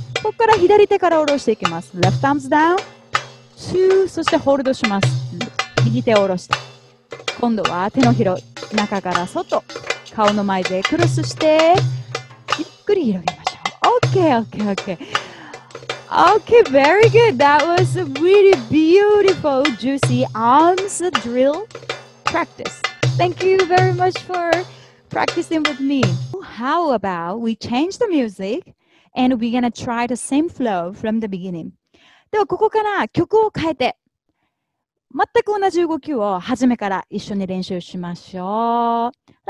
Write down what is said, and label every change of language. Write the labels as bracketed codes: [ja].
[ja] ここから左手から下ろしていきます。 [en] Left arms down. 2. [ja] そしてホールドします。右手を下ろして。今度は手のひら、中から外。顔の前でクロスして、ゆっくり広げましょう。 [en] OK, OK, OK. Okay, very good. That was a really beautiful, juicy arms drill practice. Thank you very much for practicing with me. How about we change the music and we're gonna try the same flow from the beginning. [ja] ではここから曲を変えて全く同じ動きを初めから一緒に練習しましょう。